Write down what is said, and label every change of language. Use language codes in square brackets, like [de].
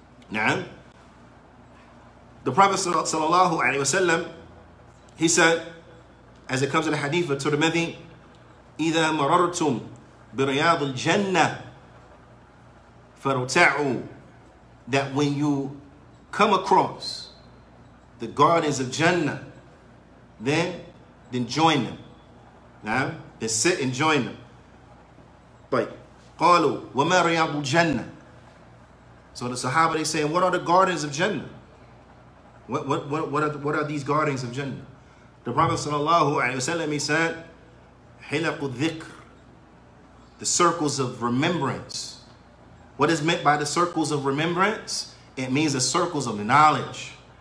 [en] Now, the Prophet sallallahu alaihi wasallam, he said, as it comes in the hadith of Tirmidhi, [ar] إِذَا مَرَرْتُمْ بِرِيَاضِ الْجَنَّةِ فَرُتَعُوا, [en] that when you come across the gardens of Jannah, then join them. Now, then sit and join them. But [ar] قَالُوا وَمَا رِيَاضُ الْجَنَّةِ. [en] So the Sahaba, they saying, what are the gardens of Jannah? What are these gardens of Jannah? The Prophet sallallahu alayhi wa sallam, he said, [ar] حِلَقُ الذِّكْرِ, [en] the circles of remembrance. What is meant by the circles of remembrance? It means the circles of knowledge.